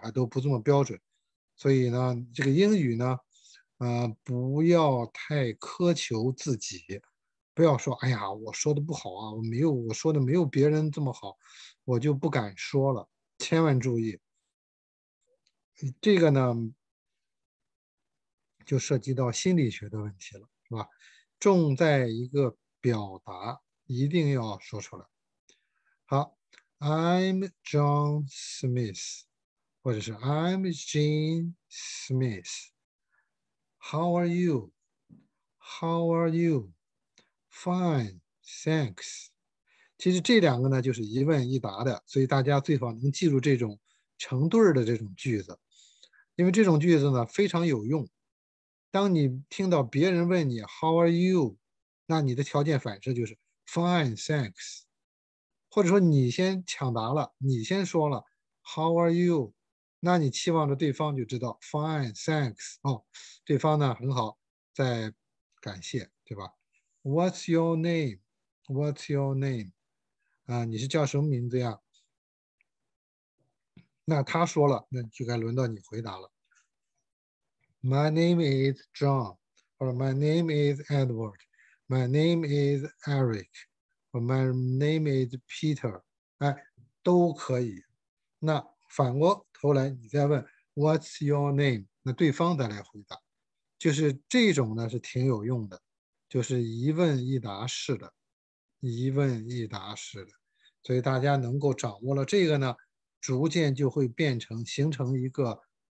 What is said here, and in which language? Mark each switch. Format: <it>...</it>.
<zh>还都不这么标准，所以呢，这个英语呢，不要太苛求自己，不要说，哎呀，我说的不好啊，我说的没有别人这么好，我就不敢说了，千万注意。这个呢，就涉及到心理学的问题了，是吧？重在一个表达一定要说出来。好，</zh> <en>I'm John Smith，</en> <zh>或者是</zh> <en>I'm Jean Smith。 How are you? How are you? Fine, thanks。</en> <zh>其实这两个呢就是一问一答的，所以大家最好能记住这种成对的这种句子，因为这种句子呢非常有用。当你听到别人问你</zh> <en>How are you?</en> <zh>那你的条件反射就是</zh> <en>Fine, thanks。</en> <zh>或者说你先抢答了，你先说了</zh> <en>How are you?</en> <zh>那你期望着对方就知道</zh> <en>Fine, thanks、</en> <zh>哦、对方呢很好，在感谢，对吧？</zh> <en>What's your name? What's your name?、</en> <zh>你是叫什么名字呀？那他说了，那就该轮到你回答了。</zh> <en>My name is John, or my name is Edward, my name is Eric, or my name is Peter.</en> <zh>哎，都可以。那反过头来，你再问</zh> <en>What's your name?</en> <zh>那对方再来回答，就是这种呢是挺有用的，就是一问一答式的，一问一答式的。所以大家能够掌握了这个呢，逐渐就会变成形成一个。</zh>